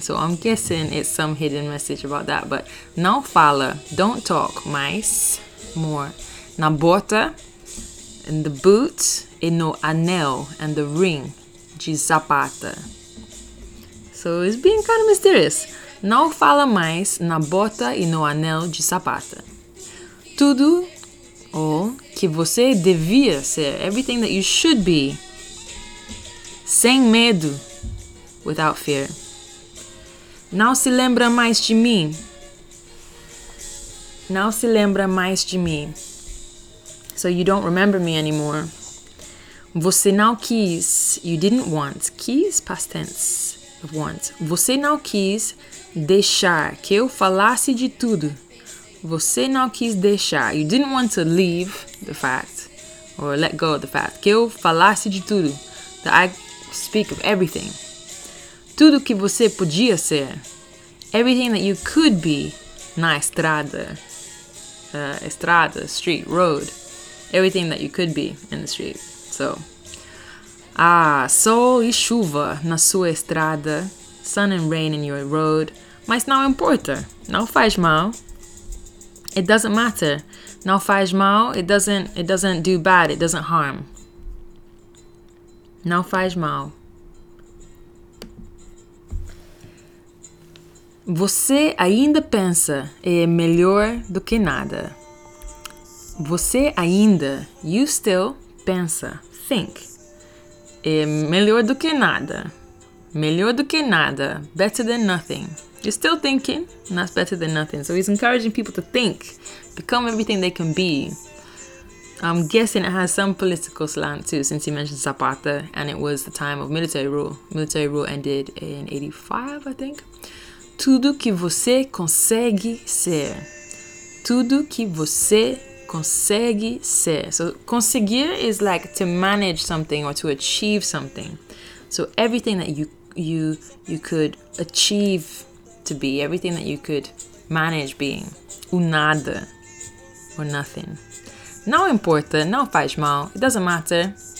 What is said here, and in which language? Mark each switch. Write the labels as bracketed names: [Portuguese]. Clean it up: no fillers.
[English] So I'm guessing it's some hidden message about that. But [Portuguese] não fala, [English] don't talk mais, more. [Portuguese] Na bota, [English] and the boot, [Portuguese] e no anel, [English] and the ring, [Portuguese] de zapata. [English] So it's being kind of mysterious. [Portuguese] não fala mais na bota e no anel de sapato. Tudo o que você devia ser, [English] everything that you should be, [Portuguese] sem medo, [English] without fear. [Portuguese] Não se lembra mais de mim. Não se lembra mais de mim. [English] So you don't remember me anymore. [Portuguese] Você não quis, [English] you didn't want. Quis, past tense of want. [Portuguese] Você não quis deixar que eu falasse de tudo. Você não quis deixar. [English] You didn't want to leave the fact or let go of the fact. [Portuguese] Que eu falasse de tudo. [English] That I speak of everything. [Portuguese] Tudo que você podia ser. [English] Everything that you could be. [Portuguese] Na estrada. [English] Estrada, street, road. Everything that you could be in the street. So. [Portuguese] Ah, sol e chuva na sua estrada. [English] Sun and rain in your road. [Portuguese] Mas não importa. Não faz mal. [English] It doesn't matter. [Portuguese] Não faz mal. [English] It doesn't do bad. It doesn't harm. [Portuguese] Não faz mal. Você ainda pensa é melhor do que nada. Você ainda, [English] you still, [Portuguese] pensa, think, é melhor do que nada. Melhor do que nada, [English] better than nothing. You're still thinking, and that's better than nothing. So he's encouraging people to think, become everything they can be. I'm guessing it has some political slant too, since he mentioned Zapata, and it was the time of military rule. Military rule ended in 85, I think. [Portuguese] Tudo que você consegue ser. Tudo que você consegue ser. [English] So, conseguir is like to manage something or to achieve something. So, everything that you could achieve to be. Everything that you could manage being. [Portuguese] O nada. [English] Or nothing. [Portuguese] Não importa. Não faz mal. [English] It doesn't matter.